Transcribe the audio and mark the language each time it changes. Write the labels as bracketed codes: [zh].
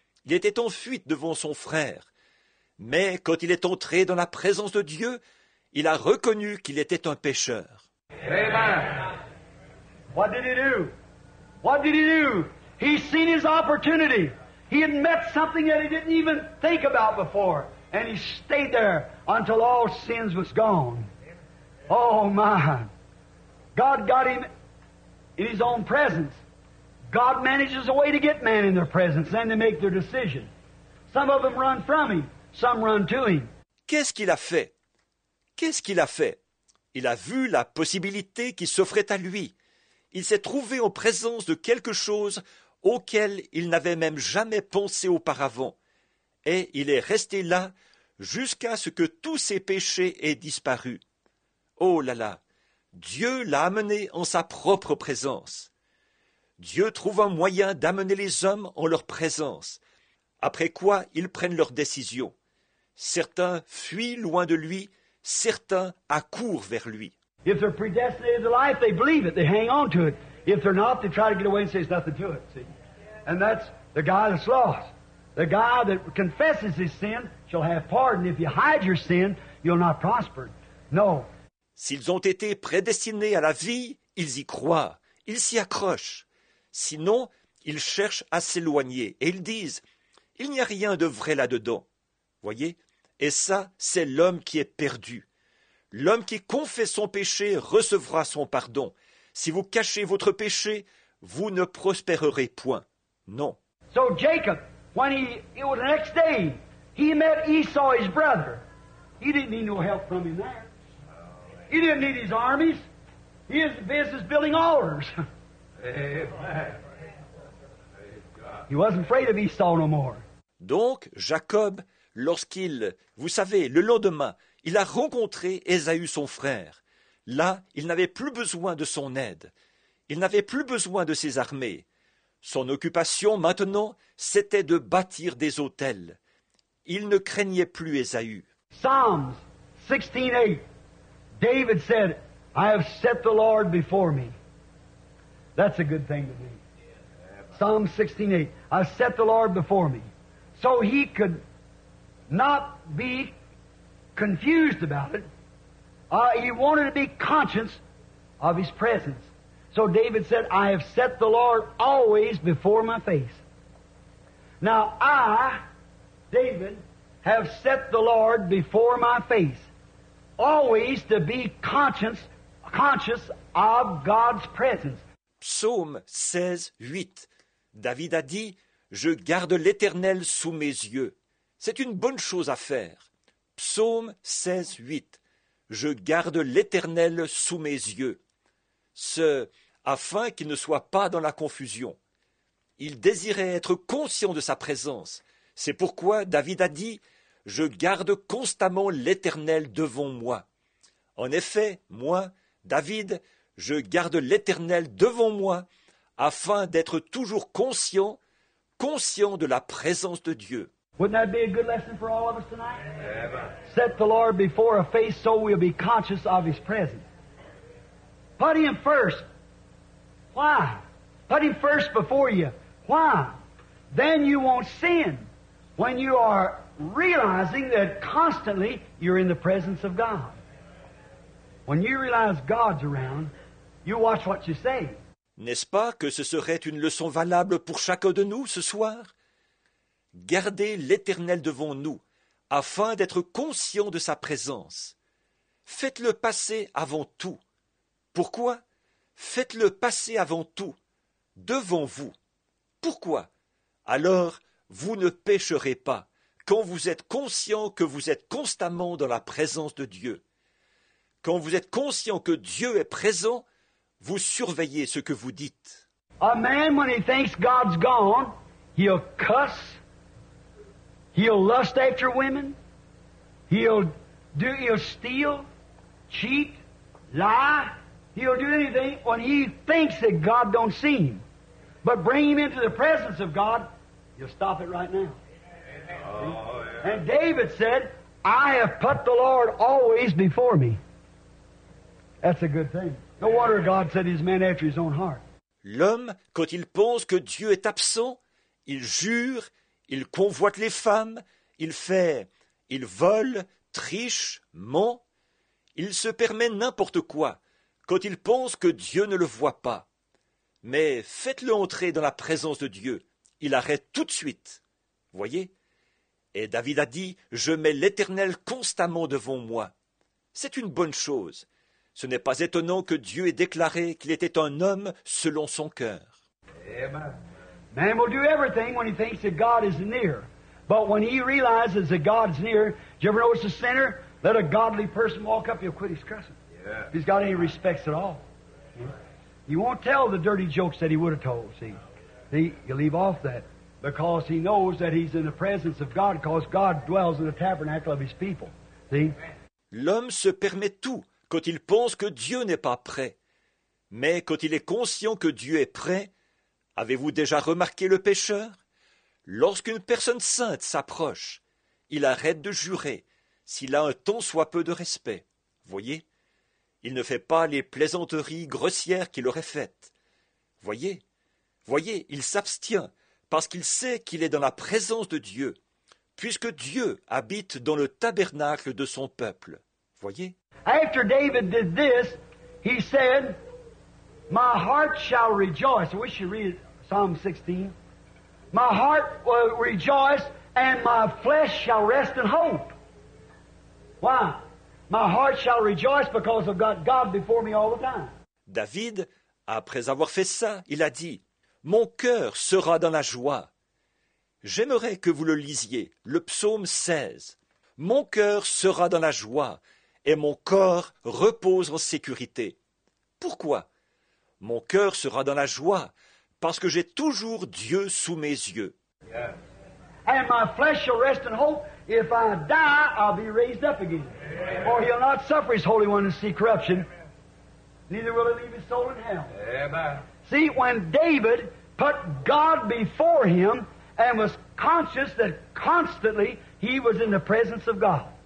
[fr] Il était en fuite devant son frère. Mais quand il est entré dans la présence de Dieu, il a reconnu qu'il était un pécheur. [en] Amen. What did he do? What did he do? He seen his opportunity. He had met something that he didn't even think about before. And he stayed there until all sins was gone. Oh, my. God got him in his own presence. God manages a way to get man in their presence and to make their decision. Some of them run from him. Some run to him. [fr] Qu'est-ce qu'il a fait? Qu'est-ce qu'il a fait? Il a vu la possibilité qui s'offrait à lui. Il s'est trouvé en présence de quelque chose auquel il n'avait même jamais pensé auparavant. Et il est resté là jusqu'à ce que tous ses péchés aient disparu. Oh là là! Dieu l'a amené en sa propre présence. Dieu trouve un moyen d'amener les hommes en leur présence. Après quoi, ils prennent leur décision. Certains fuient loin de lui, certains accourent vers lui. [en] If they're predestinated to life, they believe it, they hang on to it. If they're not, they try to get away and say it's nothing to it, see? And that's the guy that's lost. The guy that confesses his sin shall have pardon. If you hide your sin, you'll not prosper. No. [fr] S'ils ont été prédestinés à la vie, ils y croient, ils s'y accrochent. Sinon, ils cherchent à s'éloigner et ils disent « Il n'y a rien de vrai là-dedans ». Voyez, et ça, c'est l'homme qui est perdu. L'homme qui confesse son péché recevra son pardon. Si vous cachez votre péché, vous ne prospérerez point. Non. [en] So Jacob, when he, it was the next day, he met Esau, his brother. He didn't need no help from him there. He didn't need his armies. He is business building altars. Amen. He wasn't afraid of Esau no more. [fr] Donc, Jacob, lorsqu'il, vous savez, le lendemain, il a rencontré Ésaü, son frère. Là, il n'avait plus besoin de son aide. Il n'avait plus besoin de ses armées. Son occupation, maintenant, c'était de bâtir des autels. Il ne craignait plus Ésaü. [en] Psalms 16:8. David said, I have set the Lord before me. That's a good thing to do. Psalm 16:8. I set the Lord before me. So he could not be confused about it. He wanted to be conscious of his presence. So David said, I have set the Lord always before my face. Now I, David, have set the Lord before my face. Always to be conscious of God's presence. [fr] Psaume 16:8. David a dit, je garde l'Éternel sous mes yeux. C'est une bonne chose à faire. Psaume 16:8. Je garde l'Éternel sous mes yeux. Ce, afin qu'il ne soit pas dans la confusion. Il désirait être conscient de sa présence. C'est pourquoi David a dit, je garde constamment l'Éternel devant moi. En effet, moi, David, je garde l'Éternel devant moi afin d'être toujours conscient de la présence de Dieu. [en] Wouldn't that be a good lesson for all of us tonight? Amen. Set the Lord before a face so we'll be conscious of His presence. Put Him first. Why? Put Him first before you. Why? Then you won't sin when you are realizing that constantly you're in the presence of God. When you realize God's around, you watch what you say. [fr] N'est-ce pas que ce serait une leçon valable pour chacun de nous ce soir? Gardez l'Éternel devant nous, afin d'être conscient de sa présence. Faites-le passer avant tout. Pourquoi? Faites-le passer avant tout, devant vous. Pourquoi? Alors, vous ne pécherez pas. Quand vous êtes conscient que vous êtes constamment dans la présence de Dieu, quand vous êtes conscient que Dieu est présent, vous surveillez ce que vous dites. [en] A man, when he thinks God's gone, he'll cuss, he'll lust after women, he'll steal, cheat, lie, he'll do anything when he thinks that God don't see him. But bring him into the presence of God, you'll stop it right now. Oh, yeah. And David said, I have put the Lord always before me. That's a good thing. No wonder God said his man after his own heart. [fr] L'homme, quand il pense que Dieu est absent, il jure, il convoite les femmes, il fait, il vole, triche, ment, il se permet n'importe quoi, quand il pense que Dieu ne le voit pas. Mais faites-le entrer dans la présence de Dieu, il arrête tout de suite. Voyez ? Et David a dit, « Je mets l'Éternel constamment devant moi. » C'est une bonne chose. Ce n'est pas étonnant que Dieu ait déclaré qu'il était un homme selon son cœur. [en] Man will do everything when he thinks that God is near. But when he realizes that God is near, do you ever notice a sinner? Let a godly person walk up, he'll quit his cussing. Yeah. If he's got any respects at all. He won't tell the dirty jokes that he would have told, see. You leave off that because he knows that he's in the presence of God because God dwells in the tabernacle of his people. See? [fr] L'homme se permet tout quand il pense que Dieu n'est pas prêt. Mais quand il est conscient que Dieu est prêt, avez-vous déjà remarqué le pécheur? Lorsqu'une personne sainte s'approche, il arrête de jurer, s'il a un tant soit peu de respect. Voyez, il ne fait pas les plaisanteries grossières qu'il aurait faites. Voyez, il s'abstient, parce qu'il sait qu'il est dans la présence de Dieu, puisque Dieu habite dans le tabernacle de son peuple. Voyez. [en] After David did this, he said, My heart shall rejoice. I wish you read Psalm 16. My heart will rejoice and my flesh shall rest in hope. Why? My heart shall rejoice because I've got God before me all the time. [fr] David, après avoir fait ça, il a dit, Mon cœur sera dans la joie. J'aimerais que vous le lisiez, le psaume 16. Mon cœur sera dans la joie et mon corps repose en sécurité. Pourquoi? Mon cœur sera dans la joie parce que j'ai toujours Dieu sous mes yeux. [en] And my flesh shall rest in hope. If I die, I'll be raised up again. For he'll not suffer his Holy One to see corruption. Neither will he leave his soul in hell. See, when David put God before him and was conscious that constantly he was in the presence of God.